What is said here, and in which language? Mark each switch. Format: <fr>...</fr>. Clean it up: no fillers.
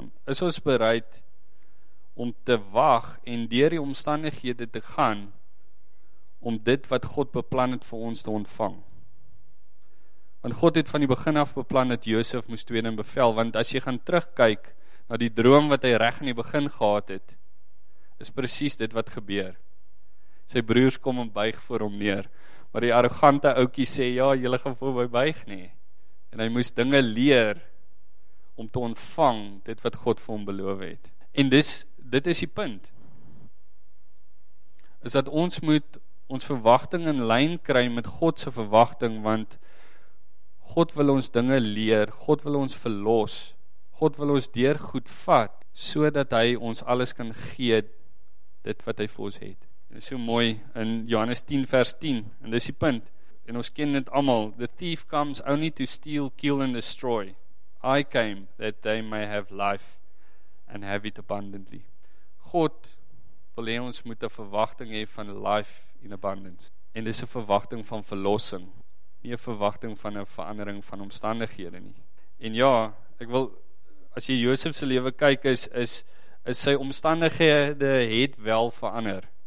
<af>Is ons bereid om te wag en deur die omstandighede te gaan om dit wat God beplan het vir ons te ontvang? Want God het van die begin af beplan dat Josef moes tweede in bevel, want as jy gaan terugkyk na die droom wat hy reg in die begin gehad het, is presies dit wat gebeur. Sy broers kom en buig voor hom neer, maar die arrogante ouetjie sê, ja, julle gaan voor my buig nie. En hy moes dinge leer om te ontvang dit wat God vir hom beloof het. En dit is die punt, is dat ons moet ons verwagting in lyn kry met God se verwagting, want God wil ons dinge leer, God wil ons verlos, God wil ons deur goed vat, so dat hy ons alles kan gee, dit wat hy vir ons het. En so mooi in Johannes 10 vers 10, en dis die punt, en ons ken dit allemaal,</af> <en>the thief comes only to steal, kill and destroy. I came that they may have life and have it abundantly.</en> <af>God wil hê ons moet 'n verwagting hê van</af> <en>life in abundance.</en> <af>En dis 'n verwagting van verlossing, nie 'n verwagting van 'n verandering van omstandighede nie. En ja, ek wil, as jy Josef se lewe kyk, is sy omstandighede het wel verander.</af>